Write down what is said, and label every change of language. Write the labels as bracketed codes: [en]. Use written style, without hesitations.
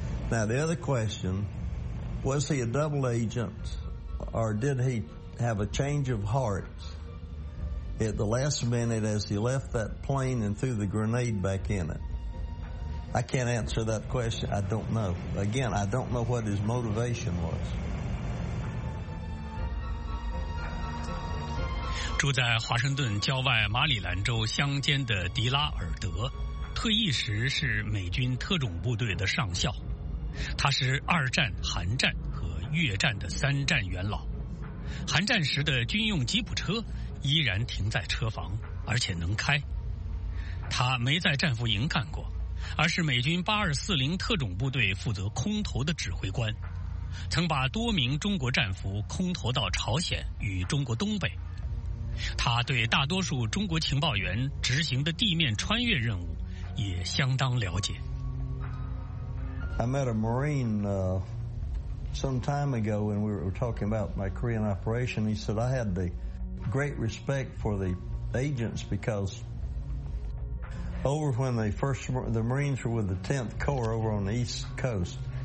[en] Now, the other question, was he a double agent, or did he have a change of heart at the last minute as he left that plane and threw the grenade back in it? I can't answer that question. I don't know. Again, I don't know what his motivation was. [zh] 住在华盛顿郊外马里兰州乡间的迪拉尔德，退役时是美军特种部队的上校，他是二战、韩战和越战的三战元老。韩战时的军用吉普车依然停在车房，而且能开。他没在战俘营干过，而是美军8240特种部队负责空投的指挥官，曾把多名中国战俘空投到朝鲜与中国东北。他对大多数中国情报员执行的地面穿越任务也相当了解。 [en] I met a Marine some time ago when we were talking about my Korean operation. He said I had the great respect for the agents because over when they first, the Marines were with the 10th Corps over on the East Coast.